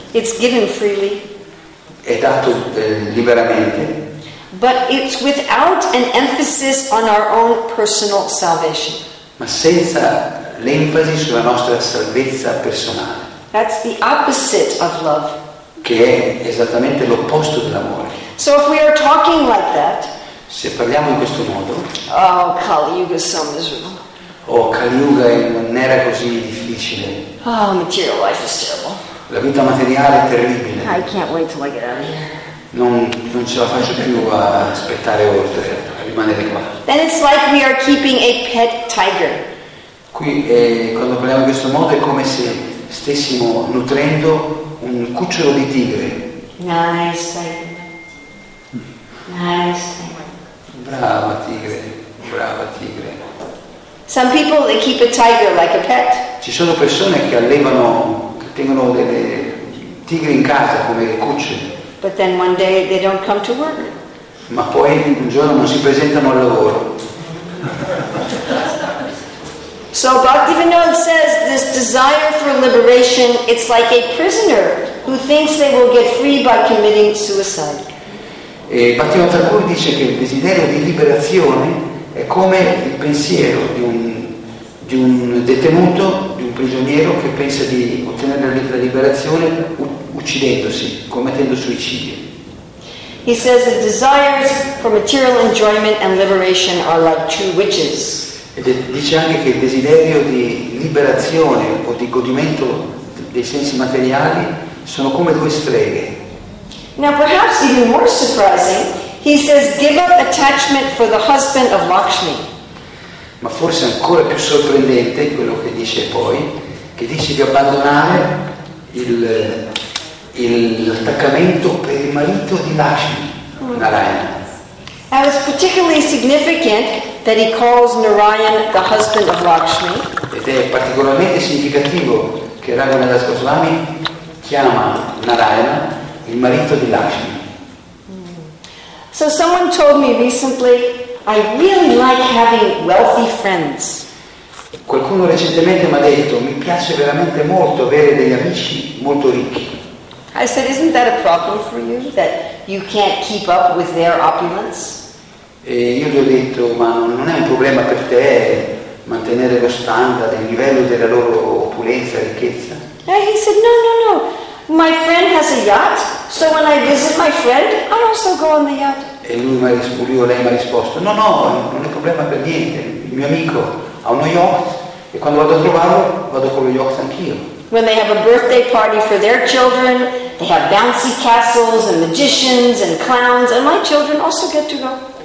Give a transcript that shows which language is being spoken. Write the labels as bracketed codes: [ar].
[en] It's given freely. [it] È dato liberamente. [en] But it's without an emphasis on our own personal salvation. [it] Ma senza l'enfasi sulla nostra salvezza personale. [en] That's the opposite of love. [it] Che è esattamente l'opposto dell'amore. [en] So if we are talking like that. [it] Se parliamo in questo modo. [en] Oh, Kali Yuga is so miserable. [it] Oh, Kali Yuga non era così difficile. [en] Oh, material life is terrible. [it] La vita materiale è terribile. [en] I can't wait till I get out of here. [it] Non ce la faccio più a aspettare oltre, a rimanere qua. [en] Then it's like we are keeping a pet tiger. [it] Qui, quando parliamo in questo modo, è come se stessimo nutrendo un cucciolo di tigre. [en] Nice tiger. Nice tiger. [it] Brava tigre, brava tigre. [en] Some people they keep a tiger like a pet. [it] Ci sono persone che tengono delle tigri in casa come cuccioli. [en] But then one day they don't come to work. [it] Ma poi un giorno non si presentano al lavoro. [en] So Bhaktivinoda says this desire for liberation, it's like a prisoner who thinks they will get free by committing suicide. [it] E Bhaktivinoda Thakur dice che il desiderio di liberazione è come il pensiero di un detenuto, di un prigioniero che pensa di ottenere la vita di liberazione uccidendosi, commettendo suicidio. [en] He says the desires for material enjoyment and liberation are like two witches. [it] E dice anche che il desiderio di liberazione o di godimento dei sensi materiali sono come due streghe. [en] Now perhaps even more surprising, he says give up attachment for the husband of Lakshmi. [it] Ma forse ancora più sorprendente quello che dice poi, che dice di abbandonare l'attaccamento per il marito di Lakshmi, Narayana. [en] That was particularly significant that he calls Narayan the husband of Lakshmi. [it] Ed è particolarmente significativo che Raghunandas Goswami chiama Narayana il marito di Lakshmi. [en] So someone told me recently, I really like having wealthy friends. [it] Qualcuno recentemente mi ha detto, mi piace veramente molto avere degli amici molto ricchi. [en] I said, isn't that a problem for you that you can't keep up with their opulence? [it] E io gli ho detto, ma non è un problema per te mantenere lo standard, il livello della loro opulenza, ricchezza? [en] And he said, no. My friend has a yacht, so when I visit my friend, I also go on the yacht. [it] E lei mi ha risposto, no, non è un problema per niente. Il mio amico ha uno yacht e quando vado a trovarlo, vado con lo yacht anch'io. [en] When they have a birthday party for their children, they have bouncy castles and magicians and clowns, and my children also get to go.